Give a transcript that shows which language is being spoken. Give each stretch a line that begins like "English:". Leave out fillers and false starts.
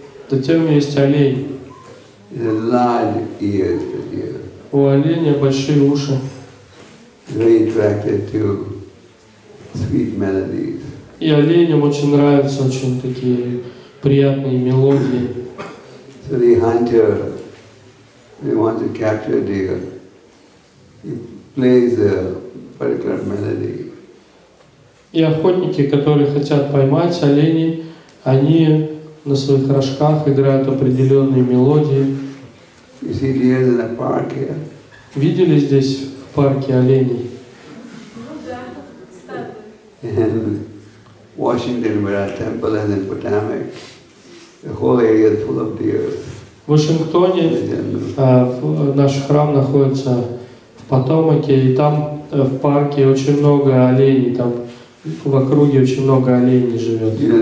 Russian: Затем есть олень.
English: The large ears, the deer.
Russian: У оленя большие уши.
English: Very attracted to sweet melodies.
Russian: И оленям очень нравятся очень такие приятные мелодии.
English: So the hunter, he wants to capture a deer. He plays a particular melody.
Russian: И охотники, которые хотят поймать оленей, они на своих рожках играют определенные мелодии.
English: You see deer in the park here?
Russian: Видели здесь в парке оленей?
English: In Washington, where our temple is in Potomac, the whole area is full of deer.
Russian: В Вашингтоне наш храм находится в Потомаке, и там в парке очень много оленей. Там в округе очень много оленей живет.